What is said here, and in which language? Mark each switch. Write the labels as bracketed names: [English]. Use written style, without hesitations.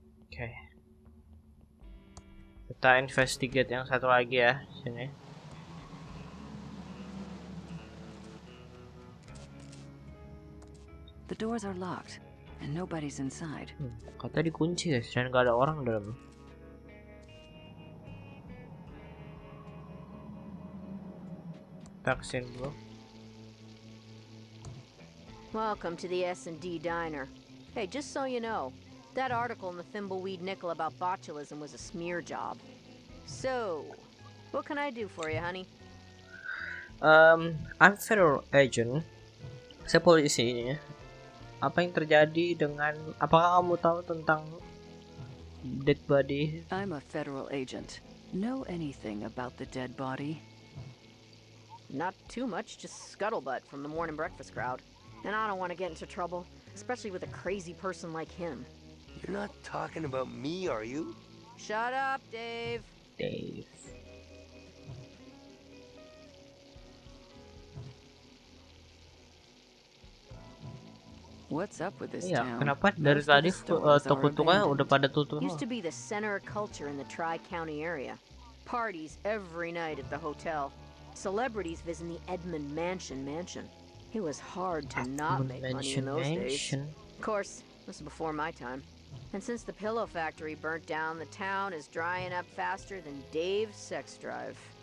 [Indonesian] Oke. Kita investigate yang satu lagi ya, sini. [English] The doors are locked and nobody's inside. [Indonesian] Kata dikunci guys, dan enggak ada orang dalam. Taksin dulu. [English] Welcome to the S&D diner. Hey, just so you know, that article in the Thimbleweed Nickel about botulism was a smear job. So, what can I do for you, honey? I'm federal agent. [Indonesian] Saya polisi ini. Apa yang terjadi dengan, apakah kamu tahu tentang [English] dead body? I'm a federal agent. Know anything about the dead body? Not too much, just scuttlebutt from the morning breakfast crowd. And I don't want to get into trouble, especially with a crazy person like him. You're not talking about me, are you? Shut up, Dave. Dave. What's up with this town? [Indonesian] Iya, kenapa dari tadi toko-tokonya udah pada tutup semua? [English] Used to be the center of culture in the Tri-County area. Parties every night at the hotel. Celebrities visit the Edmund Mansion. It was hard to not make money in those days. Of course, this was before my time. And since the pillow factory burnt down, the town is drying up faster than Dave's sex drive.